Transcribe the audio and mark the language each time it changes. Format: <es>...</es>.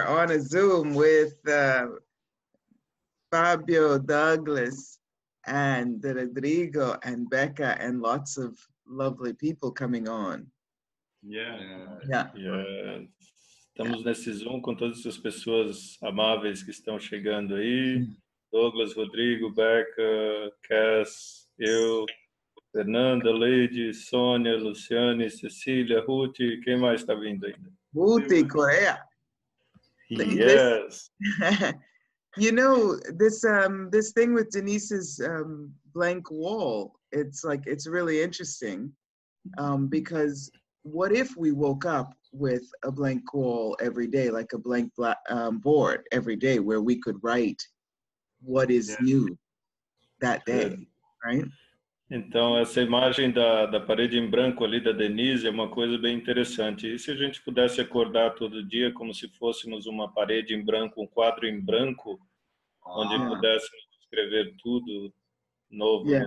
<en>a Zoom with Fabio, Douglas, and Rodrigo, and Becca, and lots of lovely people coming on.</en> <pt>Estamos nesse Zoom com todas essas pessoas amáveis que estão chegando aí. Douglas, Rodrigo, Becca, Cass, eu, Fernanda, Leide, Sônia, Luciane, Cecília, Ruth, quem mais está vindo ainda? Ruth, Coreia.</pt> <en>Yes. You know, this this thing with Denise's blank wall, it's like, it's really interesting because what if we woke up with a blank wall every day, like a blank board every day, where we could write what is new that day, right?</en> <pt>Então, essa imagem da parede em branco ali da Denise é uma coisa bem interessante. E se a gente pudesse acordar todo dia como se fôssemos uma parede em branco, um quadro em branco, onde pudéssemos escrever tudo novo,</pt>